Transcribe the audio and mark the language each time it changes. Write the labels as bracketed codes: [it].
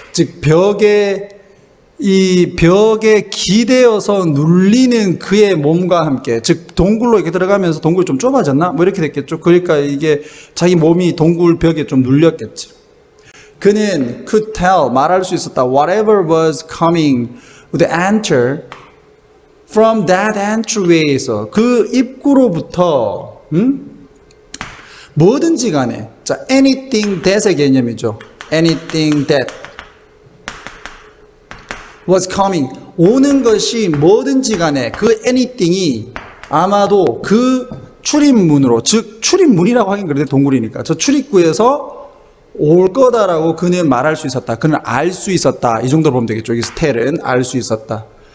[ko] 즉, 벽에, 이 벽에 기대어서 눌리는 그의 몸과 함께. 즉, 동굴로 이렇게 들어가면서 동굴이 좀 좁아졌나? 뭐 이렇게 됐겠죠. 그러니까 이게 자기 몸이 동굴 벽에 좀 눌렸겠지. 그는 [en] could tell, [ko] 말할 수 있었다. [en] Whatever was coming would enter from that entryway에서. [ko] 그 입구로부터, 뭐든지 간에. 자, [en] anything that [ko] 의 개념이죠. [en] Anything that was coming. [ko] 오는 것이 뭐든지 간에 그 anything이 아마도 그 출입문으로, 즉, 출입문이라고 하긴 그런데 동굴이니까. 저 출입구에서 올 거다라고 그는 말할 수 있었다. 그는 알 수 있었다. 이 정도로 보면 되겠죠. 여기 스텔은 알 수 있었다.